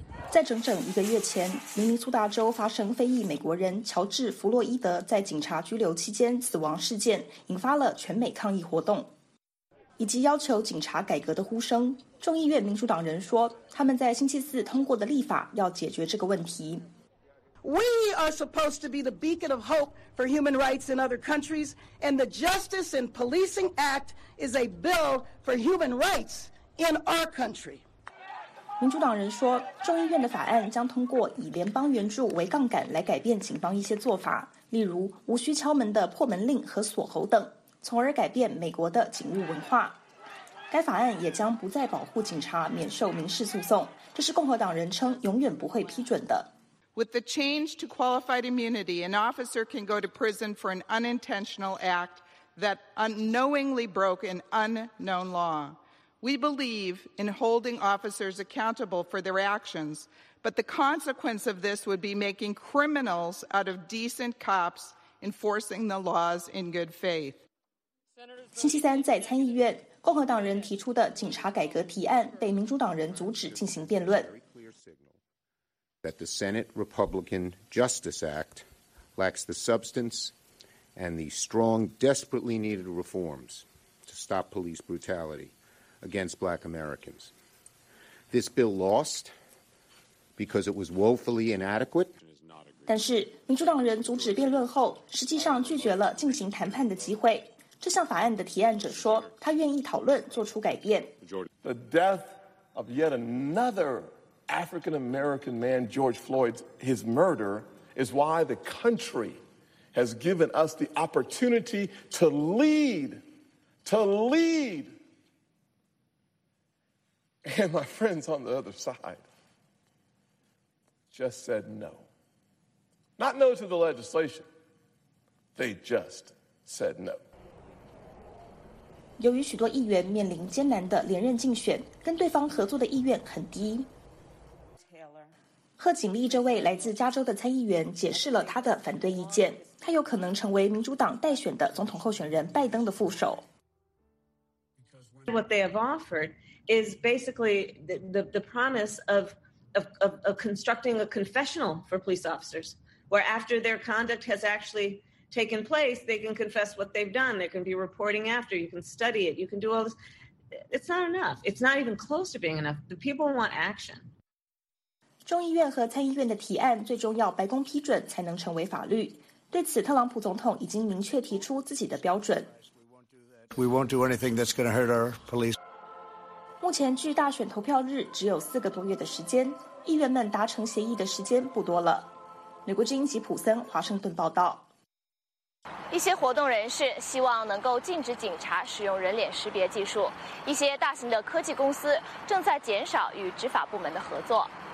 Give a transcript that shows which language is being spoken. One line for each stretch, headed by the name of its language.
Chinese: 在整整一个月前，明尼苏达州发生非裔美国人乔治·弗洛伊德在警察拘留期间死亡事件，引发了全美抗议活动，以及要求警察改革的呼声。众议院民主党人说，他们在星期四通过的立法要解决这个问题。
English: We are supposed to be the beacon of hope for human rights in other countries, and the Justice and Policing Act is a bill for human rights in our country.
Chinese: 民主党人说，众议院的法案将通过以联邦援助为杠杆来改变警方一些做法，例如无需敲门的破门令和锁喉等，从而改变美国的警务文化。该法案也将不再保护警察免受民事诉讼，这是共和党人称永远不会批准的。
English: With the change to qualified immunity, an officer can go to prison for an unintentional act that unknowingly broke an unknown law. We believe in holding officers accountable for their actions, but the consequence of this would be making criminals out of decent cops enforcing the laws in good faith.
Chinese: 星期三在参议院，共和党人提出的警察改革提案被民主党人阻止进行辩论。
English: That the Senate Republican Justice Act lacks the substance and the strong, desperately needed reforms to stop police brutality. Against Black Americans, this bill lost because it was woefully inadequate.
Chinese: 但是民主党人阻止辩论后，实际上拒绝了进行谈判的机会。这项法案的提案者说，他愿意讨论，做出改变。
English: The death of yet another African-American man George Floyd's his murder is why the country has given us the opportunity to lead. And my friends on the other side just said no. Not no to the legislation. They just said no.
Chinese: 由于许多议员面临艰难的连任竞选，跟对方合作的意愿很低。贺锦丽这位来自加州的参议员解释了他的反对意见，他有可能成为民主党代选的总统候选人拜登的副手。
English: What they have offered is basically the promise of constructing a confessional for police officers, where after their conduct has actually taken place, they can confess what they've done. There can be reporting after. You can study it. You can do all this. It's not enough. It's not even close to being enough. The people want action.
Chinese: 众议院和参议院的提案最终要白宫批准才能成为法律。对此，特朗普总统已经明确提出自己的标准。
English: We won't do anything that's going to hurt our police.
Chinese: 目前距大选投票日只有四个多月的时间，议员们达成协议的时间不多了。美国之音吉普森华盛顿报道。一些活动人士希望能够禁止警察使用人脸识别技术，一些大型的科技公司正在减少与执法部门的合作。